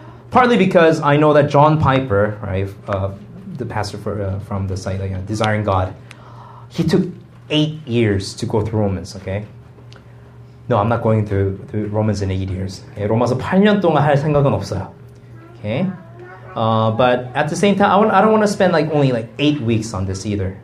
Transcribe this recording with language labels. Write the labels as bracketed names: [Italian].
[English] Partly because I know that John Piper, right, the pastor for, from the site, like, Desiring God, he took 8 years to go through Romans, okay? No, I'm not going through Romans in 8 years. Okay? [Korean] 로마서 8년 동안 할 생각은 없어요. [English] Okay, but at the same time, I don't want to spend like only like 8 weeks on this either.